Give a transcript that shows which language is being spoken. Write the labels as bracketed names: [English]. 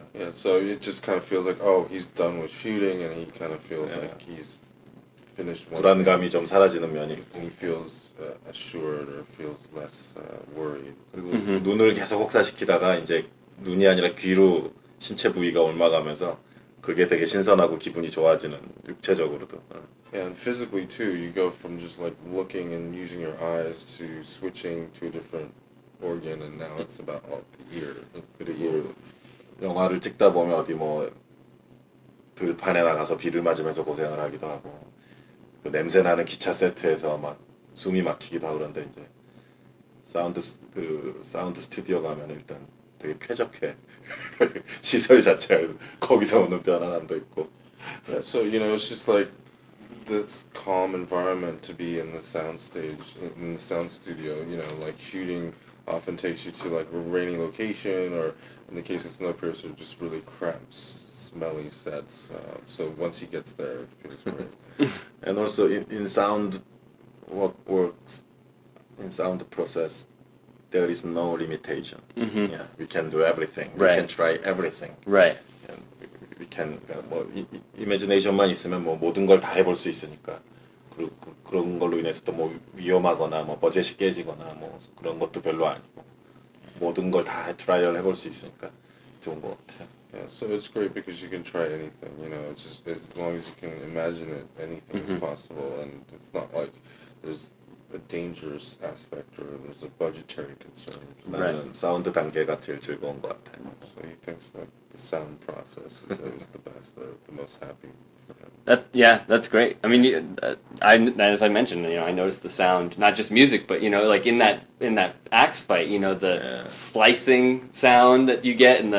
[English] Yeah, so it just kind of feels like, oh, he's done with shooting, and he kind of feels like he's finished. [Korean] 불안감이 좀 사라지는 면이. [English] He feels assured or feels less worried. [Korean] 그리고 mm-hmm. 눈을 계속 혹사시키다가 이제 눈이 아니라 귀로 신체 부위가 옮아가면서 그게 되게 신선하고 기분이 좋아지는 육체적으로도. [English] And physically too, you go from just like looking and using your eyes to switching to a different organ, and now it's about the ear. [Korean] 그리고 영화를 찍다 보면 어디 뭐 들판에 나가서 비를 맞으면서 고생을 하기도 하고 그 냄새 나는 기차 세트에서 막 숨이 막히기도 하고 그런데 이제 사운드 스튜디오 가면 일단 되게 쾌적해. 시설 자체에 거기서 오는 편안함도 있고. [English] So you know, it's just like this calm environment to be in the sound stage, in the sound studio. You know, like shooting often takes you to like a rainy location, or in the case of Snowpiercer, just really cramped, smelly sets. So once he gets there, it feels great. And also in sound work, in sound process, there is no limitation. Mm-hmm. Yeah, we can do everything. Right. We can try everything. Right. And we can [Korean] 뭐 imagination만 있으면 뭐 모든 걸 다 해볼 수 있으니까. 그리고 그런 걸로 인해서 또 뭐 위험하거나 뭐 버젯이 깨지거나 뭐 그런 것도 별로 아니고 모든 걸 다 트라이얼 해볼 수 있으니까 좋은 것 같아. [English] Yeah, so it's great because you can try anything, you know, just as long as you can imagine it, anything mm-hmm. is possible, and it's not like there's a dangerous aspect or there's a budgetary concern. Right. [Korean] 사운드 단계가 제일 즐거운 것 같아. [English] So he thinks that the sound process is always the best, the most happy for him. That, yeah, that's great. I mean, as I mentioned, you know, I noticed the sound, not just music, but, you know, like in that axe fight, you know, the yeah. slicing sound that you get in the,